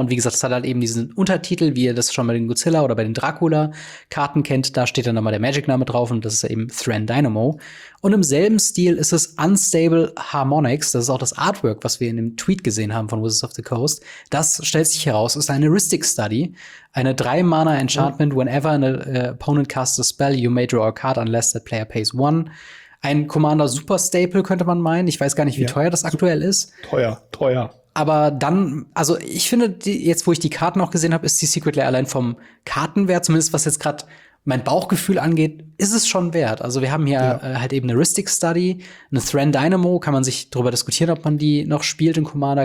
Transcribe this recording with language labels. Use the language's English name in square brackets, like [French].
[German] Und wie gesagt, es hat halt eben diesen Untertitel, wie ihr das schon bei den Godzilla oder bei den Dracula-Karten kennt. Da steht dann nochmal der Magic-Name drauf und das ist eben Thren Dynamo. Und im selben Stil ist es Unstable Harmonics. Das ist auch das Artwork, was wir in dem Tweet gesehen haben von Wizards of the Coast. Das stellt sich heraus, ist eine Heuristic Study. [English] Eine 3-Mana-Enchantment, whenever an opponent casts a spell, you may draw a card unless that player pays one. [German] Ein Commander Super Staple könnte man meinen. Ich weiß gar nicht, wie teuer das aktuell ist. Teuer. Aber dann, also ich finde, jetzt wo ich die Karten auch gesehen habe, ist die Secret Lair allein vom Kartenwert, zumindest was jetzt gerade mein Bauchgefühl angeht, ist es schon wert. Also wir haben hier halt eben eine Heuristic Study, eine Thren Dynamo, kann man sich drüber diskutieren, ob man die noch spielt in Commander.